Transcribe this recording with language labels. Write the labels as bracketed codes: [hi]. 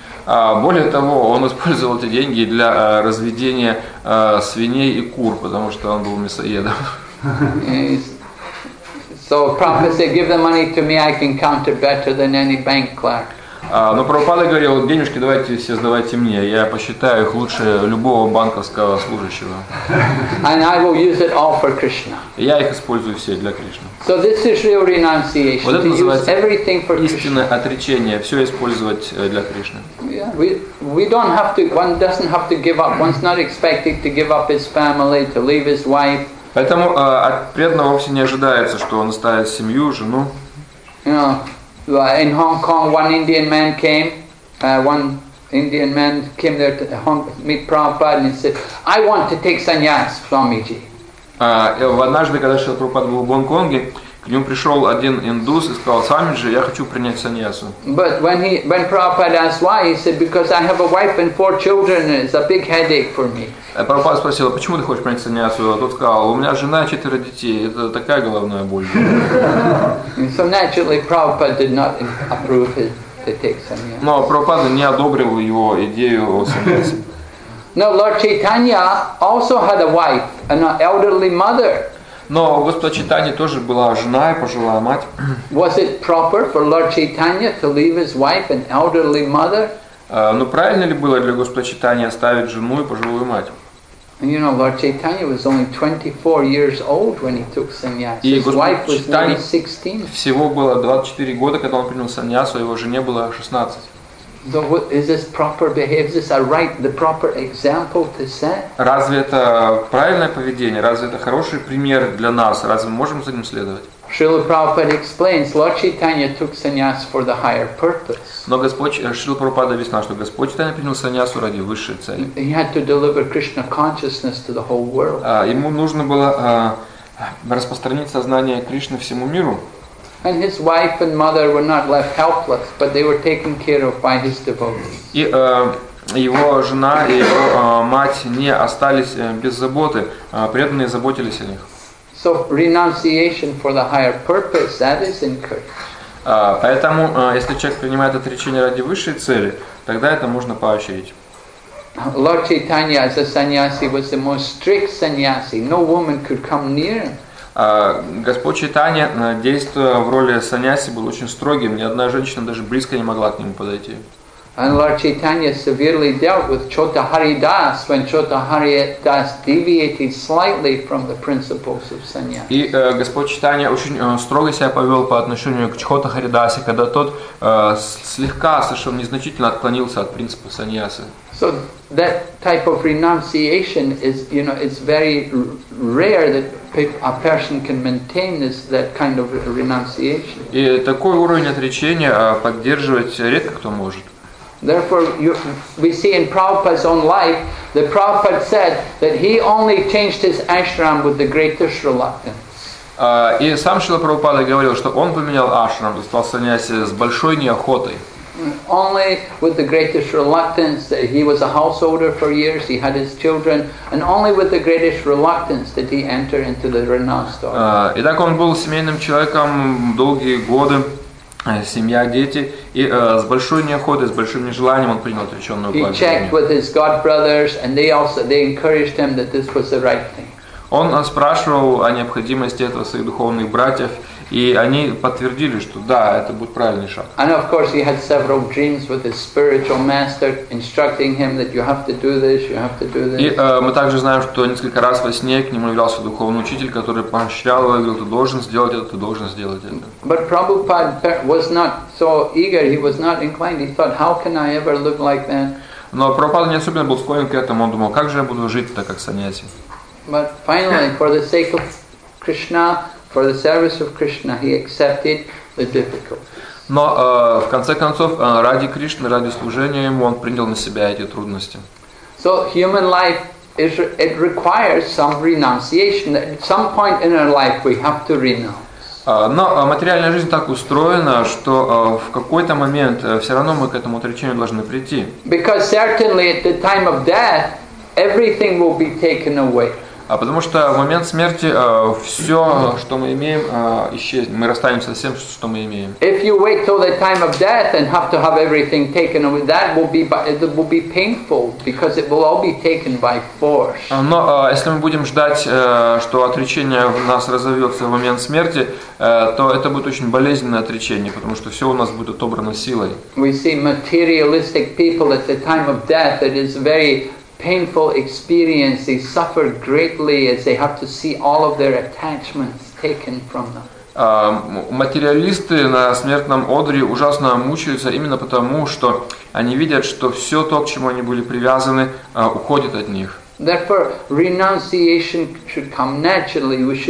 [ru] Более того, он использовал эти деньги для разведения свиней и кур, потому что он был мясоедом. [en] So Prabhupada said, give the money to me, I can count it better than any bank clerk. [ru] Но Прабхупада говорил, денежки давайте все сдавайте мне, я посчитаю их лучше любого банковского служащего. [en] And I will use it all for Krishna. [ru] Я их использую все для Кришны. [en] So this is real renunciation. [ru] Вот это называется [en] everything for Krishna. [ru] Истинное отречение, все использовать для Кришны. [en] Yeah, we don't have to, one doesn't have to give up, one's not expected to give up his family, to leave his wife. [ru] Поэтому от преданного вовсе не ожидается, что он оставит семью, жену. [en] In Hong Kong, one Indian man came. One Indian man came there to meet Prabhupada and said, "I want to take sannyas, Swamiji." [ru] Однажды, когда Шрила Прабхупада был в Гонконге, к нему пришел один индус и сказал: "Свамиджи, я хочу принять саньясу." [en] But when Prabhupada asked why, he said, "Because I have a wife and four children. And it's a big headache for me." [ru] Прабхупада спросил, почему ты хочешь принять саньясу? А тот сказал, у меня жена и четверо детей, это такая головная боль. [en] So naturally, Prabhupada did not approve his to take sannyas. [ru] Но Прабхупада не одобрил его идею о саньясе. [en] No, Lord Chaitanya also had a wife, an elderly mother. [ru] Но у Господа Чайтаньи тоже была жена и пожилая мать. [en] Was it proper for Lord Chaitanya to leave his wife and elderly mother? [ru] Ну правильно ли было для Господа Чайтаньи оставить жену и пожилую мать? [en] You know, Lord Chaitanya was only 24 years old when he took sannyas. His wife was only 16. [ru] Всего было 24 года, когда он принял саньясу, а его жене было 16. [en] So what, is this proper behavior? Is this a right, the proper example to set? [ru] Разве это правильное поведение? Разве это хороший пример для нас? Разве мы можем за ним следовать? [en] Srila Prabhupada explains, Lord Chaitanya took sannyas for the higher purpose. [ru] Но Господь, Шрила Прабхупада объяснял, что Господь Чайтанья принял саньясу ради высшей цели. [en] He had to deliver Krishna consciousness to the whole world. [ru] Ему нужно было распространить сознание Кришны всему миру. [en] And his wife and mother were not left helpless, but they were taken care of by his devotees. [ru] И его жена и его мать не остались без заботы, преданные заботились о них. [en] So renunciation for the higher purpose, that is encouraged. [ru] Поэтому, если человек принимает отречение ради высшей цели, тогда это можно поощрить. [en] Lord Chaitanya as a sannyasi was the most strict sannyasi. No woman could come near him. [ru] Господь Чайтанья, действуя в роли саньяси, был очень строгим. Ни одна женщина даже близко не могла к нему подойти. [en] And Lord Chaitanya severely dealt with Chota Haridas when Chota Haridas deviated slightly from the principles of sannyas. [ru] И Господь Чайтанья очень строго себя повел по отношению к Чхота Харидасе, когда тот слегка, совершенно незначительно отклонился от принципа саньясы. [en] So that type of renunciation is, you know, it's very rare that a person can maintain this that kind of renunciation. [ru] И такой уровень отречения поддерживать редко кто может. [en] Therefore, we see in Prabhupada's own life that Prabhupada said that he only changed his ashram with the greatest reluctance. [ru] И сам Шрила Прабхупада говорил, что он поменял ашрам, стал саньяси с большой неохотой. [en] Only with the greatest reluctance that he was a householder for years, he had his children, and only with the greatest reluctance did he enter into the renunciation. [ru] Итак, он был семейным человеком долгие годы. Семья, дети, и с большой неохотой, с большим нежеланием он принял отреченную пользу. [en] He checked with his god brothers, and they encouraged him that this was the right thing. [ru] Он спрашивал о необходимости этого своих духовных братьев, и они подтвердили, что да, это будет правильный шаг. [en] And of course, he had several dreams with his spiritual master, instructing him that you have to do this, you have to do this. [ru] И мы также знаем, что несколько раз во сне к нему являлся духовный учитель, который поощрял его и говорил: ты должен сделать это, ты должен сделать это. [en] But Prabhupada was not so eager. He was not inclined. He thought, how can I ever live like that? [ru] Но Прабхупада не особенно был склонен к этому. Он думал, как же я буду жить так, как саньяси? [en] But finally, for the sake of Krishna, for the service of Krishna, he accepted the difficulties. [ru] Но в конце концов, ради Кришны, ради служения ему, он принял на себя эти трудности. [en] So human life is it requires some renunciation. At some point in our life, we have to renounce. [ru] Но материальная жизнь так устроена, что в какой-то момент все равно мы к этому отречению должны прийти. [en] Because certainly at the time of death, everything will be taken away. [ru] А потому что в момент смерти все, что мы имеем, исчезнет. Мы расстаемся со всем, что мы имеем. [en] If you wait till the time of death and have to have everything taken away, that will be painful because it will all be taken by force. [ru] Но если мы будем ждать, что отречение у нас разовьется в момент смерти, то это будет очень болезненное отречение, потому что все у нас будет отобрано силой. [en] We see materialistic people at the time of death. It is very painful experience. They suffer greatly as they have to see all of their attachments taken from them. [ru] Материалисты на смертном одре ужасно мучаются именно потому, что они видят, что все то, к чему они были привязаны, уходит от них. [en] Therefore, renunciation should come naturally.